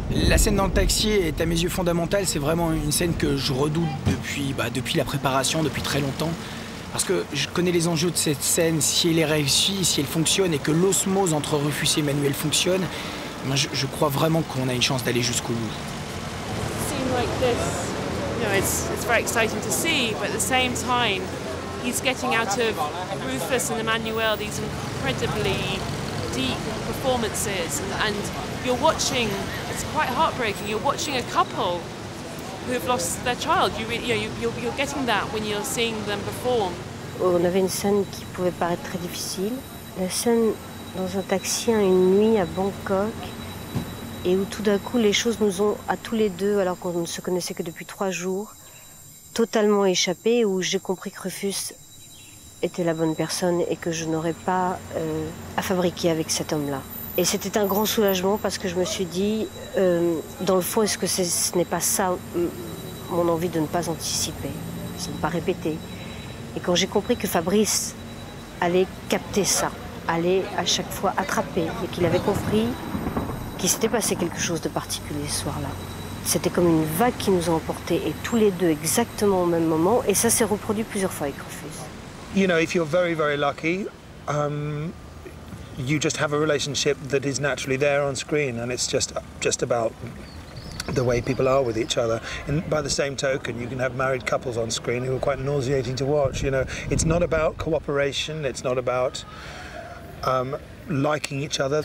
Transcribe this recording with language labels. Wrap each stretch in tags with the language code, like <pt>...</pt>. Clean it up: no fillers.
<fr>La scène dans le taxi est à mes yeux fondamentale. C'est vraiment une scène que je redoute depuis la préparation, depuis très longtemps. Parce que je connais les enjeux de cette scène. Si elle est réussie, si elle fonctionne et que l'osmose entre Rufus et Emmanuel fonctionne, moi je crois vraiment qu'on a une chance d'aller jusqu'au bout.</fr> <en>It's very exciting to see, but at the same time, he's getting out of Rufus and Emmanuel these incredibly deep performances, and you're watching. It's quite heartbreaking. You're watching a couple who have lost their child. You're getting that when you're seeing them perform.</en> <fr>On avait une scène qui pouvait paraître très difficile. La scène dans un taxi en une nuit à Bangkok. Et où tout d'un coup, les choses nous ont, à tous les deux, alors qu'on ne se connaissait que depuis 3 jours, totalement échappé, où j'ai compris que Rufus était la bonne personne et que je n'aurais pas à fabriquer avec cet homme-là. Et c'était un grand soulagement parce que je me suis dit, dans le fond, est-ce que ce n'est pas ça mon envie de ne pas anticiper, de ne pas répéter. Et quand j'ai compris que Fabrice allait capter ça, allait à chaque fois attraper, et qu'il avait compris qu'il s'était passé quelque chose de particulier ce soir-là. C'était comme une vague qui nous a emportés, et tous les deux exactement au même moment, et ça s'est reproduit plusieurs fois avec Rufus.</fr> <en>You know, if you're very, very lucky, you just have a relationship that is naturally there on screen, and it's just about the way people are with each other. And by the same token, you can have married couples on screen who are quite nauseating to watch, you know. It's not about cooperation, it's not about liking each other.</en>